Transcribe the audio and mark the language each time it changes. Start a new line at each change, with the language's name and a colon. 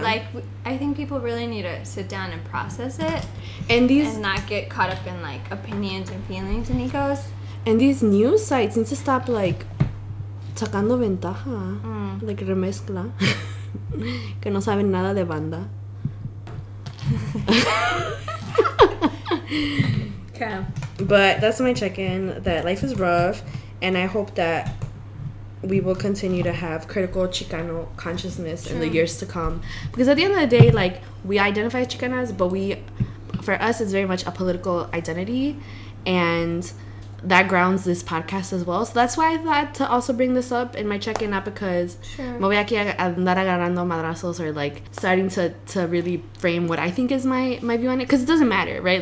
English: Like, I think people really need to sit down and process it. And these... And not get caught up in, like, opinions and feelings and egos. And these news sites need to stop, like,
Spanish: sacando ventaja.
English: Like,
Spanish: remezcla. Que no saben nada de banda.
English: Okay. But that's my check-in, that life is rough, and I hope that we will continue to have critical Chicano consciousness in the years to come. Because at the end of the day, like, we identify as Chicanas, but we, for us, it's very much a political identity, and that grounds this podcast as well. So that's why I thought to also bring this up in my check-in, not because
Spanish: me voy aquí a andar agarrando madrazos
English: or, like, starting to really frame what I think is my view on it. Because it doesn't matter, right?